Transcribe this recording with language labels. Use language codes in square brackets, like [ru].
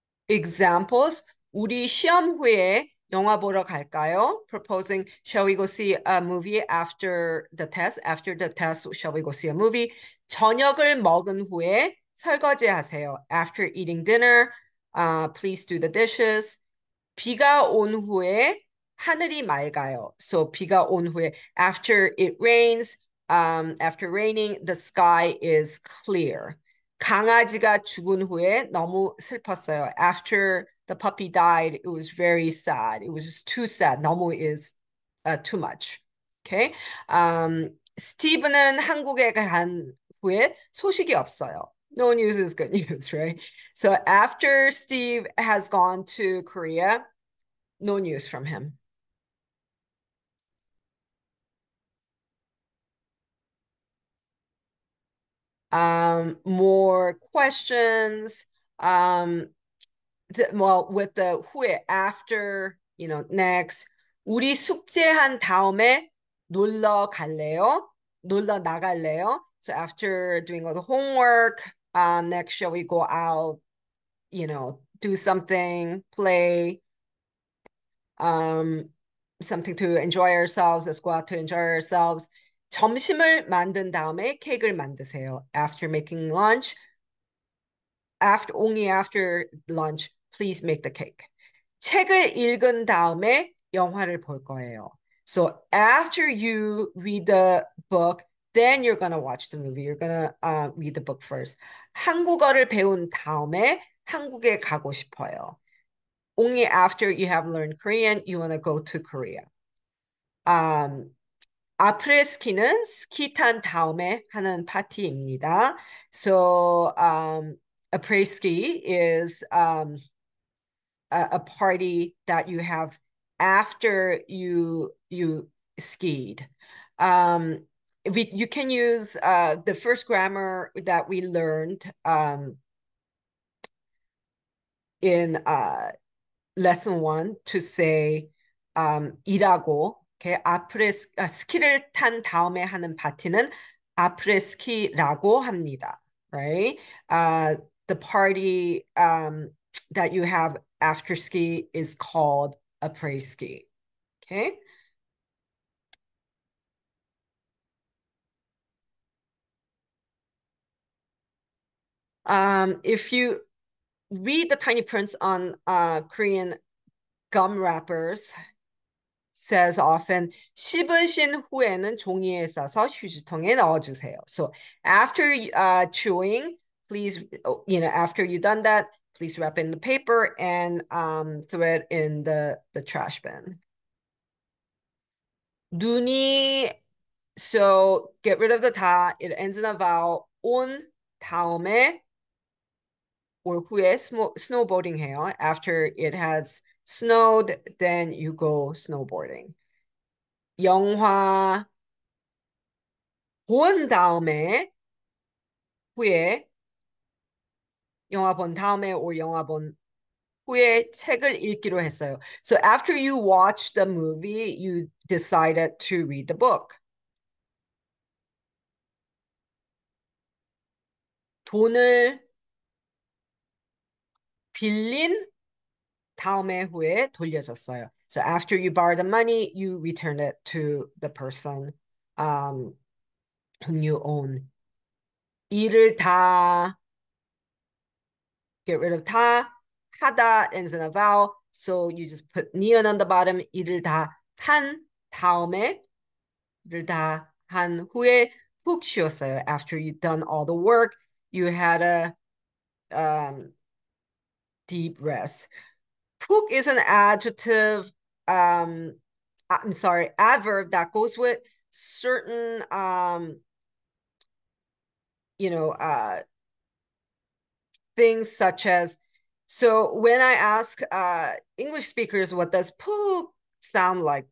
[en] Examples, [ko] 우리 시험 후에 영화 보러 갈까요? [en] Proposing, shall we go see a movie after the test? After the test, shall we go see a movie? [ko] 저녁을 먹은 후에 설거지 하세요. [en] After eating dinner, please do the dishes. [ko] 비가 온 후에 하늘이 맑아요. [en] So [ko] 비가 온 후에, [en] after it rains, after raining, the sky is clear. [ko] 강아지가 죽은 후에 너무 슬펐어요. [en] After the puppy died, it was very sad. It was just too sad. 너무 is too much. Okay. [ko] 스티븐은 한국에 간 후에 소식이 없어요. [en] No news is good news, right? So after Steve has gone to Korea, no news from him. More questions. Well, with the 후에, after, you know, next. [ko] 우리 숙제한 다음에 놀러 갈래요? 놀러 나갈래요? [en] So after doing all the homework, next, shall we go out, you know, do something, play, something to enjoy ourselves, let's go out to enjoy ourselves. [ko] 점심을 만든 다음에 케이크를 만드세요. [en] After making lunch, after only after lunch, please make the cake. [ko] 책을 읽은 다음에 영화를 볼 거예요. [en] So after you read the book, then you're gonna watch the movie. You're gonna read the book first. [ko] 한국어를 배운 다음에 한국에 가고 싶어요. [en] Only after you have learned Korean, you wanna go to Korea. [ko] 아프레스키는 스키 탄 다음에 하는 파티입니다. [en] So, apres-ski is a party that you have after you skied. You can use the first grammar that we learned in lesson one to say 이라고. [ko] Okay, 스키를 탄 다음에 하는 파티는 아프레스키라고 합니다. [en] Right? The party that you have after ski is called apres-ski. Okay? If you read the tiny prints on Korean gum wrappers, says often, [ko] 씹으신 후에는 종이에 싸서 휴지통에 넣어주세요. [en] So after chewing, please, you know, after you've done that, please wrap it in the paper and throw it in the trash bin. 눈이, so get rid of the 다, it ends in a vowel, [ko] 온 다음에 올 후에 [en] snowboarding 해요. After it has snowed, then you go snowboarding. [ko] 영화 본 다음에 후에 영화 본 다음에 or 영화 본 후에 책을 읽기로 했어요. [en] So after you watch the movie, you decided to read the book. [ko] 돈을 빌린 다음에 후에 돌려줬어요. [en] So after you borrow the money, you return it to the person whom you own. 일을 다, get rid of 다, 하다 ends in a vowel. So you just put 니은 on the bottom. [ko] 일을 다한 다음에, 일을 다한 후에 푹 쉬었어요. [en] After you've done all the work, you had a deep rest. Puk is an adjective, I'm sorry, adverb that goes with certain, you know, things such as, so when I ask English speakers, what does puk sound like?